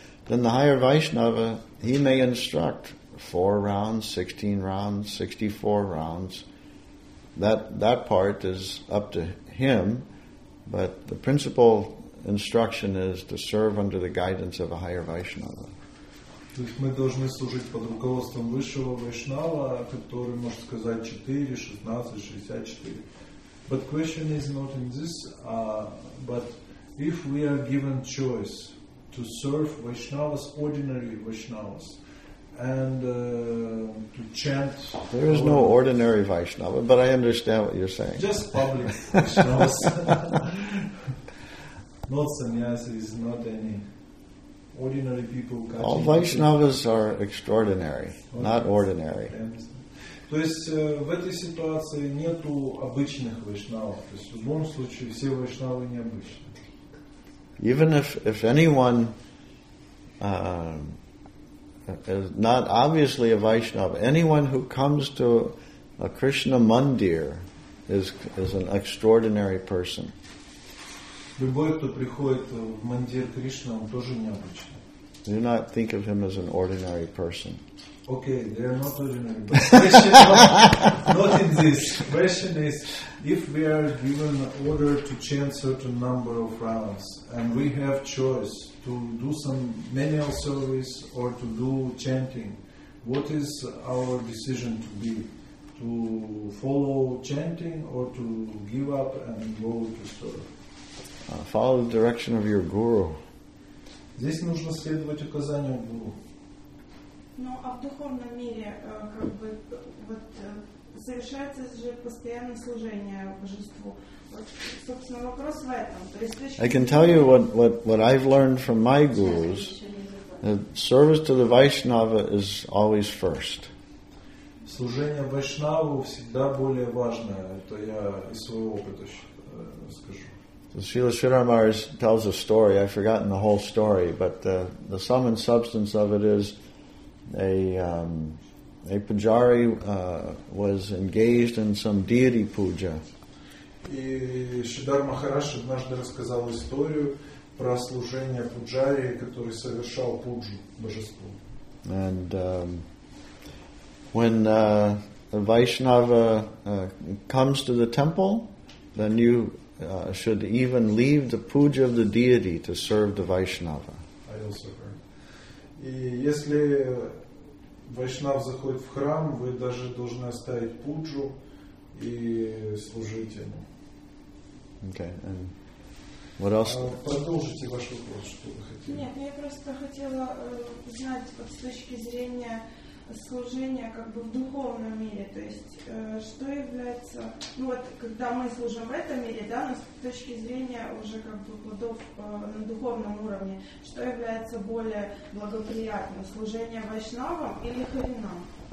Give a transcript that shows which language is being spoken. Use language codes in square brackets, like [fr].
[en] Then the higher Vaishnava, he may instruct 4 rounds, 16 rounds, 64 rounds. That part is up to him, but the principal instruction is to serve under the guidance of a higher Vaishnava. [ru] То есть мы должны служить под руководством высшего вайшнава, который может сказать 4, 16, 64. [en] But question is not in this, but if we are given choice to serve Vaishnavas, ordinary Vaishnavas, and to chant... There is no ordinary Vaishnava, but I understand what you're saying. Just public Vaishnavas. Not sannyasis, not any... Ordinary people catching. All Vaishnavas are extraordinary, not ordinary. [ru] То есть в этой ситуации нету обычных вайшнавов. То есть в любом случае все вайшнавы необычные. [en] Even if anyone is not obviously a Vaishnava, anyone who comes to a Krishna mandir is an extraordinary person. [ru] Любой, кто приходит в мандир Кришна, он тоже необычный. [en] Do not think of him as an ordinary person. Okay, they are not ordinary. But question, not in this. Question is, if we are given an order to chant certain number of rounds, and we have choice to do some manual service or to do chanting, what is our decision to be? To follow chanting or to give up and go to serve? Follow the direction of your guru. [ru] Здесь нужно следовать указаниям Гуру. Ну, а в духовном мире, как бы, вот, совершается же постоянное служение Божеству. Вот, собственно, вопрос в этом. [en] I can tell you what I've learned from my gurus, that service to the Vaishnava is always first. [ru] Служение Вайшнаву всегда более важное. Это я из своего опыта скажу. [en] Srila Sridhar Maharaj tells a story. I've forgotten the whole story, but the sum and substance of it is a pujari was engaged in some deity puja. [ru] И Шридхар Махарадж однажды рассказал историю про служение пуджари, который совершал пуджу божеству. [en] And when a Vaishnava comes to the temple, then you should even leave the puja of the deity to serve the Vaishnava. I also heard. [ru] И если Вайшнав заходит в храм, вы даже должны оставить пуджу и служить ему. [en] Okay, and what else? [ru] Продолжите ваш вопрос, что вы хотели. Нет, я просто хотела узнать с точки зрения служение как бы в духовном мире, то есть что является, ну вот когда мы служим в этом мире, да, но с точки зрения уже как бы плодов на духовном уровне, что является более благоприятным, служение вайшнавам или харинам?